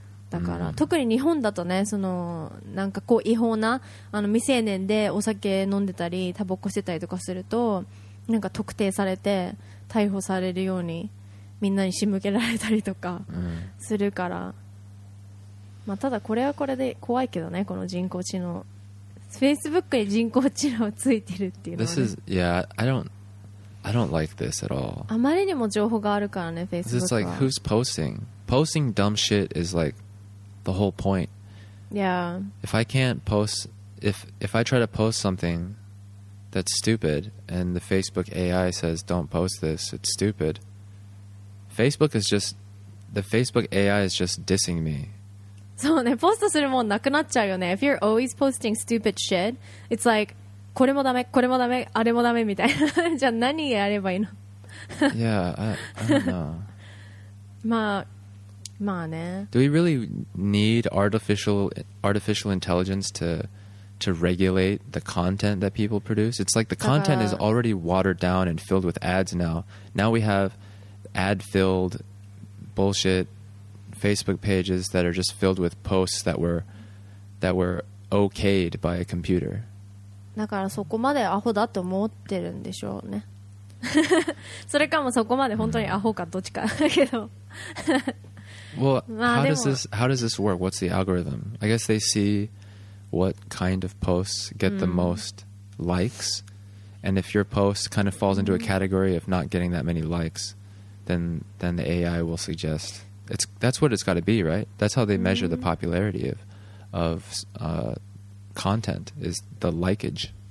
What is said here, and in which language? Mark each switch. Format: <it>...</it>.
<ja>だから、うん、特に日本だとね、そのなんかこう違法な、あの未成年でお酒飲んでたりタバコしてたりとかするとなんか特定されて逮捕されるようにみんなに仕向けられたりとかするから、まあ、ただこれはこれで怖いけどね、この人工知能、 Facebook に人工知能ついてるっていうのは、ね、</ja> <en>This is, yeah, I don't like this at all.</en> <ja>あまりにも情報があるからね、 Facebook</ja> <en>は。 This is like, who's posting? Posting dumb shit is like the whole point. Yeah. If I can't post, if I try to post something that's stupid and the Facebook AI says don't post this, it's stupid. Facebook is just, the Facebook AI is just dissing me.</en> <ja>そうね、ポストするもんなくなっちゃうよね。</ja> <en>If you're always posting stupid shit, it's like,</en> <ja>これもダメ、これもダメ、あれもダメみたいな。じゃあ何やればいいの？</ja> <en>Yeah, I don't know.</en> <ja>まあ、まあね。</ja> <en>Do we really need artificial intelligence to regulate the content that people produce? It's like the content is already watered down and filled with ads now. Now we have ad-filled bullshit Facebook pages that are just filled with posts that were okayed by a computer.</en> <ja>だからそこまでアホだと思ってるんでしょうね。それかもそこまで本当にアホかどっちかだけど。</ja> <en>Well, how does this work? What's the algorithm? I guess they see what kind of posts get the most likes, and if your post kind of falls into a category of not getting that many likes, then the AI will suggest. That's what it's got to be, right? That's how they measure the popularity of content is the likeage.</en>